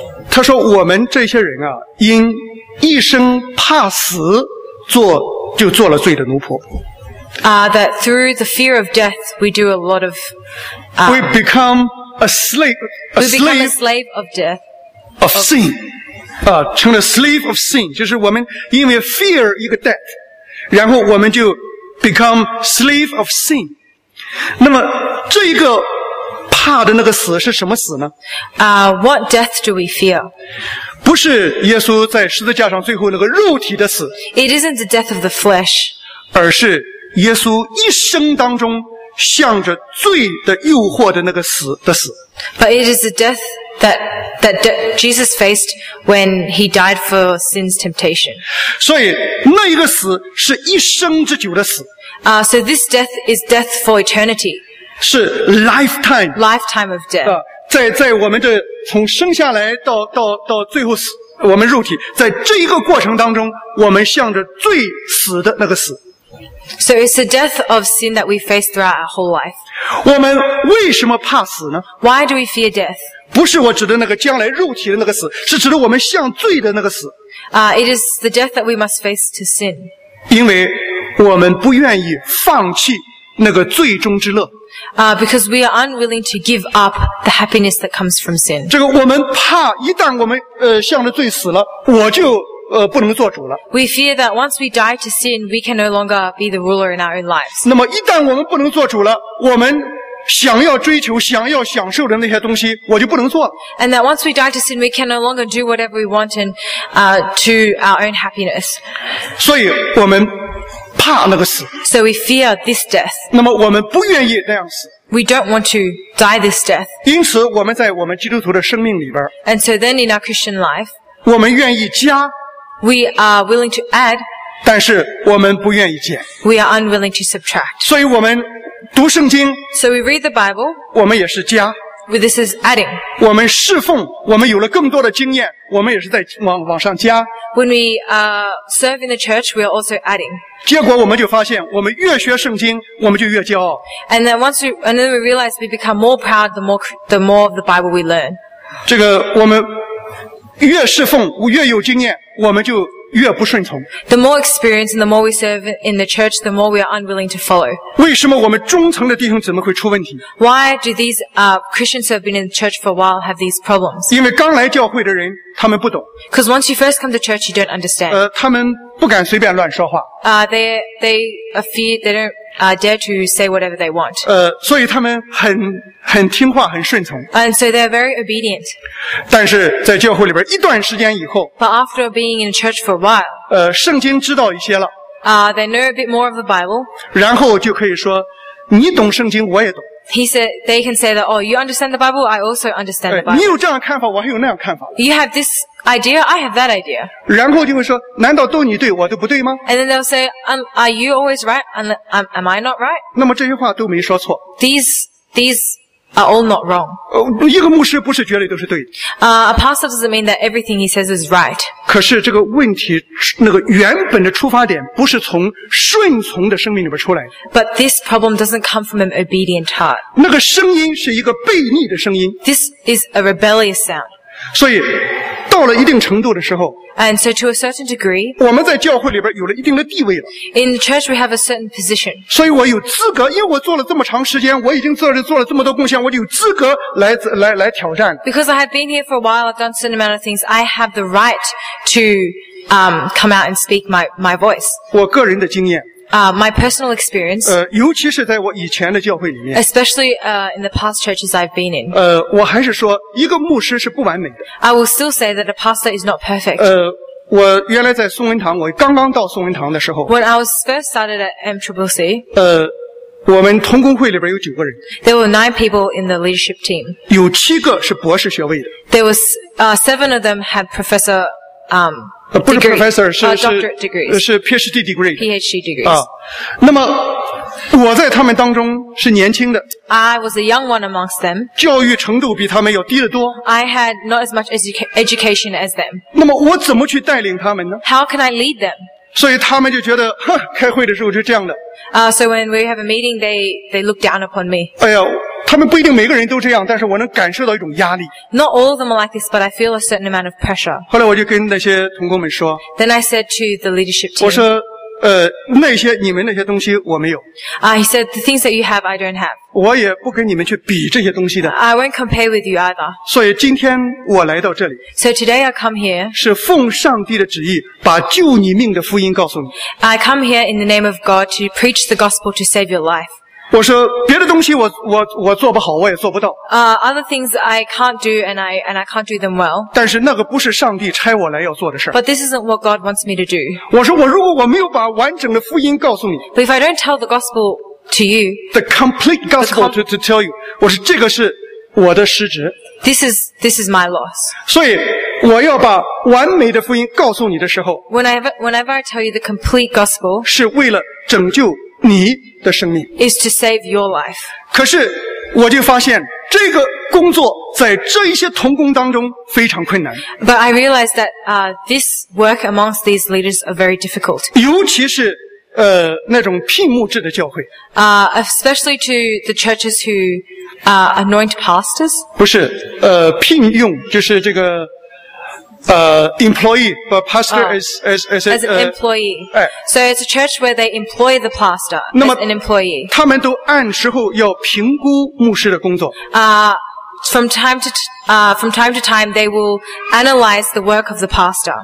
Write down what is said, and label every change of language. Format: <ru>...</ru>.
<zh>他说我们这些人啊，因一生怕死，就做了罪的奴仆。</zh> <en>That through the fear of death, we do a lot of. We become a slave. We become a slave of death. Of sin.</en> <zh>成了</zh> <en>slave of sin</en> <zh>就是我们因为</zh> <en>fear</en> <zh>一个 death 然后我们就</zh> <en>become slave of sin</en> <zh>那么这一个怕的那个死是什么死呢、</zh> <en>What death do we fear?</en> <zh>不是耶稣在十字架上最后那个肉体的死</zh> <en>It isn't the death of the flesh</en> <zh>而是耶稣一生当中向着罪的诱惑的那个死的死</zh> <en>But it is the deathThat Jesus faced when he died for sin's temptation.</en> <zh>所以那一个死是一生之久的死。</zh> <en>So this death is death for eternity. 是 lifetime. Lifetime of death.</en> <zh>在我们的从生下来到最后死，我们肉体在这一个过程当中，我们向着最死的那个死。</zh> <en>So it's the death of sin that we face throughout our whole life.</en> <zh>我们为什么怕死呢</zh> <en>？Why do we fear death?</en> <zh>不是我指的那个将来肉体的那个死，是指的我们向罪的那个死。</zh> <en>It is the death that we must face to sin.</en> <zh>因为我们不愿意放弃那个罪中之乐。</zh> <en>Because we are unwilling to give up the happiness that comes from sin.</en> <zh>这个我们怕一旦我们向着罪死了，我就不能做主了。</zh> <en>We fear that once we die to sin, we can no longer be the ruler in our own lives.</en> <zh>那么一旦我们不能做主了，我们想要追求想要享受的那些东西我就不能做了</zh> <en>And that once we die to sin we can no longer do whatever we want and, to our own happiness</en> <zh>所以我们怕那个死</zh> <en>So we fear this death</en> <zh>那么我们不愿意那样死</zh> <en>We don't want to die this death</en> <zh>因此我们在我们基督徒的生命里边</zh> <en>And so then in our Christian life</en> <zh>我们愿意加</zh> <en>We are willing to add</en> <zh>但是我们不愿意减</zh> <en>We are unwilling to subtract</en> <zh>所以我们读圣经</zh> <en>So we read the Bible</en> <zh>我们也是加</zh> <en>This is adding</en> <zh>我们侍奉我们有了更多的经验我们也是在 往上加</zh> <en>When we serve in the church we are also adding</en> <zh>结果我们就发现我们越学圣经我们就越骄傲</zh> <en>And then once we, and then we realize we become more proud the more of the Bible we learn</en> <zh>这个我们越侍奉越有经验我们就越不顺从</zh> <en>The more experience and the more we serve in the church, the more we are unwilling to follow.</en> <zh>为什么我们中层的弟兄怎么会出问题</zh> <en>Why do these Christians who have been in the church for a while have these problems?</en> <zh>因为刚来教会的人他们不懂</zh> <en>Because once you first come to church, you don't understand.</en> <zh>他们不敢随便乱说话</zh> <en>They don't dare to say whatever they want.</en> <zh>所以他们很听话，很顺从。</zh> <en>And so they are very obedient.</en> <zh>但是在教会里边一段时间以后</zh> <en>，But after being in church for a while,</en> <zh>圣经知道一些了。</zh> <en>They know a bit more of the Bible.</en> <zh>然后就可以说，你懂圣经，我也懂。</zh> <en>He said, they can say that, oh, you understand the Bible, I also understand the Bible.</en> <zh>你有这样看法，我还有那样看法。</zh> <en>You have this idea, I have that idea.</en> <zh>然后就会说，难道都你对，我都不对吗？</zh> <en>And then they'll say, are you always right? Am I not right?</en> <zh>那么这些话都没说错。</zh> <en>These are all not wrong.</en> <zh>一个牧师不是绝对都是对的。</zh> <en>A pastor doesn't mean that everything he says is right.</en> <zh>可是这个问题，那个原本的出发点不是从顺从的生命里边出来的。</zh> <en>But this problem doesn't come from an obedient heart.</en> <zh>那个声音是一个悖逆的声音。</zh> <en>This is a rebellious sound.</en> <zh>所以到了一定程度的时候</zh> <en>，And so to a certain degree，</en> <zh>我们在教会里边有了一定的地位了。</zh> <en>In the church we have a certain position。</en> <zh>所以我有资格，因为我做了这么长时间，我已经做了这么多贡献，我就有资格来挑战。</zh> <en>Because I have been here for a while, I've done a certain amount of things. I have the right to come out and speak my voice。</en> <zh>我个人的经验。</zh> <en>My personal experience.</en> <zh>尤其是在我以前的教会里面。</zh> <en>Especially in the past churches I've been in.</en> <zh>我还是说，一个牧师是不完美的。</zh> <en>I will still say that a pastor is not perfect.</en> <zh>我原来在松恩堂，我刚刚到松恩堂的时候。</zh> <en>When I was first started at MCCC.</en> <zh>我们同工会里边有九个人。</zh> <en>There were 9 people in the leadership team.</en> <zh>有七个是博士学位的。</zh> <en>There was 7 of them had professor.</en> <zh>不是</zh> <en>professor， degree, 是 PhD degree。 PhD degree。</en> <zh>啊，那么我在他们当中是年轻的。</zh> <en>I was a young one amongst them。</en> <zh>教育程度比他们要低得多。</zh> <en>I had not as much education as them。</en> <zh>那么我怎么去带领他们呢</zh> <en>？How can I lead them？</en> <zh>所以他们就觉得，哼，开会的时候就这样的。</zh> <en>So when we have a meeting, they look down upon me。</en> <zh>哎呀。他们不一定每个人都这样，但是我能感受到一种压力。</zh> <en>Not all of them are like this, but I feel a certain amount of pressure.</en> <zh>后来我就跟那些同工们说。</zh> <en>Then I said to the leadership team.</en> <zh>我说，那些你们那些东西我没有。</zh> <en>He said the things that you have, I don't have.</en> <zh>我也不跟你们去比这些东西的。</zh> <en>I won't compare with you either.</en> <zh>所以今天我来到这里。</zh> <en>So today I come here.</en> <zh>是奉上帝的旨意，把救你命的福音告诉你。</zh> <en>I come here in the name of God to preach the gospel to save your life.</en> <zh>我说别的东西我做不好，我也做不到。</zh> <en>Other things I can't do and I can't do them well.</en> <zh>但是那个不是上帝差我来要做的事。</zh> <en>But this isn't what God wants me to do.</en> <zh>我说我如果我没有把完整的福音告诉你。</zh> <en>But if I don't tell the gospel to you. The complete gospel to tell you.</en> <zh>我说这个是我的失职。</zh> <en>This is my loss.</en> <zh>所以我要把完美的福音告诉你的时候。</zh> <en>Whenever I tell you the complete gospel.</en> <zh>是为了拯救你的生命</zh> <en>is to save your life.</en> <zh>可是我就发现这个工作在这一些同工当中非常困难。</zh> <en>But I realized that this work amongst these leaders are very difficult.</en> <zh>尤其是那种聘牧制的教会。</zh> <en>Especially to the churches who anoint pastors.</en> <zh>不是聘用就是这个。</zh> <en>Employee, but pastor as an employee. So it's a church where they employ the pastor as an employee.</en> <zh>他们都按时候要评估牧师的工作。</zh> <en>From time to time, they will analyze the work of the pastor.</en>